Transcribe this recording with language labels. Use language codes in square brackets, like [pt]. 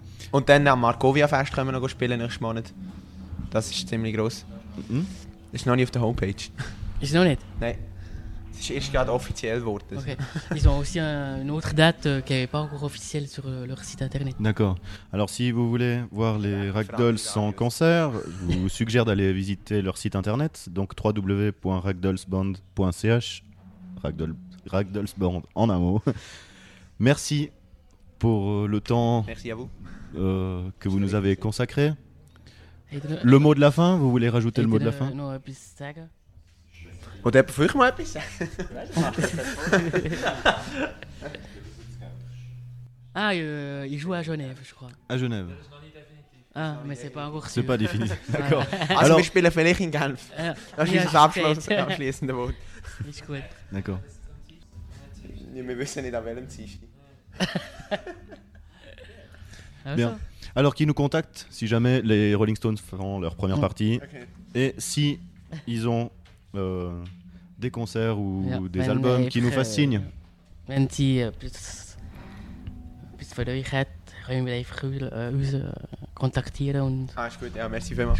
[de] Und dann am Markovia-Fest können wir noch spielen, nächsten Monat. Das ist ziemlich gross. Mm-hmm. Ist noch nicht auf der Homepage. Ist noch nicht? Nein. Es ist erst gerade offiziell geworden. Okay. [fr] Ils ont aussi une autre date qui n'est pas encore officielle sur leur site internet. D'accord. Alors si vous voulez voir les Ragdolls en concert, je vous suggère d'aller visiter leur site internet, donc www.ragdollsband.ch. Ragdollsband en un mot. Merci pour le temps. Merci à vous. Que vous nous avez consacré. Le mot de la fin, vous voulez rajouter le mot de la fin? [de] Non, plus sagen. Und jemand für euch mal etwas? [fr] Ah, il joue à Genève, je crois. À Genève. Ah, mais c'est pas encore sûr. C'est pas défini. D'accord. [de] Also, wir spielen vielleicht in Genf. Das ist das abschließende Wort. Ist gut. [fr] D'accord. [de] Wir wissen nicht, an welchem Zischi. [fr] Bien. Alors, qui nous contacte, si jamais les Rolling Stones feront leur première partie? Okay. Et si ils ont... des concerts ou ja, des albums qui nous fascinent. [de] Wenn sie plus von euch hat, können wir einfach uns kontaktieren. Und ah, ist gut, ja, merci vielmals.